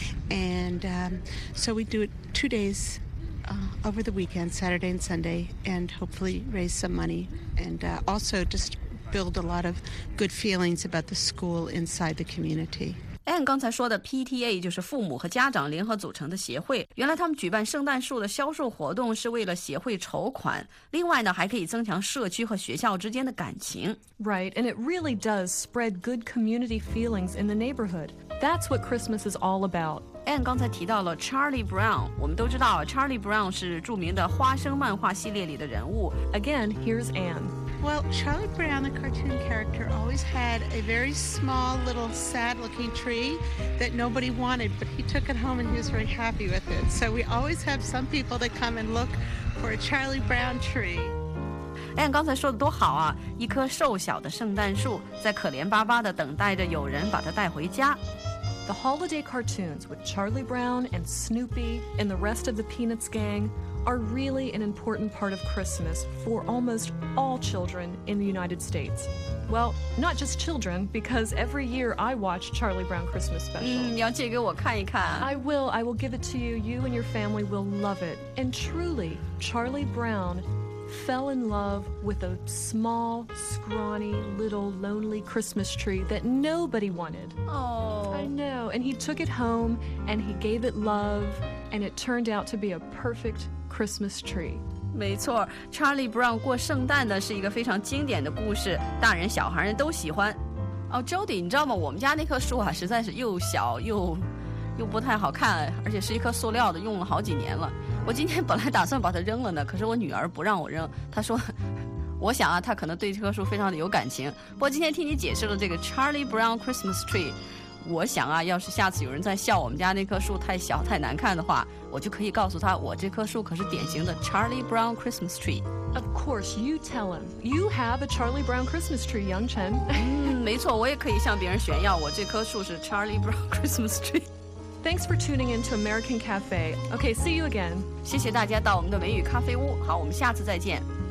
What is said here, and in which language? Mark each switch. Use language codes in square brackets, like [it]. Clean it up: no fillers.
[en] And so we do it 2 days. Over the weekend, Saturday and Sunday, and hopefully raise some money and also just build a lot of good feelings about the school inside the community. [zh] Anne 刚才说的 PTA 就是父母和家长联合组成的协会，原来他们举办圣诞树的销售活动是为了协会筹款，另外呢还可以增强社区和学校之间的感情。 [en] Right, and it really does spread good community feelings in the neighborhood. That's what Christmas is all about [zh] Anne 刚才提到了 Charlie Brown, 我们都知道 Charlie Brown 是著名的花生漫画系列里的人物。 [en] Again, here's Anne. Well, Charlie Brown, the cartoon character, always had a very small little sad-looking tree that nobody wanted, but he took it home and he was very happy with it. So we always have some people that come and look for a Charlie Brown tree. [zh] Anne 刚才说的多好啊，一棵瘦小的圣诞树在可怜巴巴地等待着有人把它带回家。 [en] The holiday cartoons with Charlie Brown and Snoopy and the rest of the Peanuts gang are really an important part of Christmas for almost all children in the United States. Well, not just children, because every year I watch Charlie Brown Christmas special. [zh] 你要借给我看一看。 [en] I will give it to you. You and your family will love it. And truly, Charlie Brown fell in love with a small, scrawny, little, lonely Christmas tree that nobody wanted. Oh. I know. And he took it home, and he gave it love, and it turned out to be a perfect Christmas tree. [zh] 没错 ,Charlie Brown 过圣诞呢是一个非常经典的故事，大人小孩人都喜欢。哦 ,Jody, 你知道吗，我们家那棵树啊实在是又小又不太好看，而且是一棵塑料的，用了好几年了。我今天本来打算把它扔了呢，可是我女儿不让我扔，她说我想啊，她可能对这棵树非常的有感情。不过今天听你解释了这个 Charlie Brown Christmas Tree， 我想啊，要是下次有人再笑我们家那棵树太小太难看的话，我就可以告诉他，我这棵树可是典型的 Charlie Brown Christmas Tree。 [en] Of course you tell him you have a Charlie Brown Christmas Tree, Young Chen. [zh] 没错，我也可以向别人炫耀我这棵树是 Charlie Brown Christmas Tree。 [en] Thanks for tuning in to American Cafe. Okay, see you again. [zh] 谢谢大家到我们的美语咖啡屋。好，我们下次再见。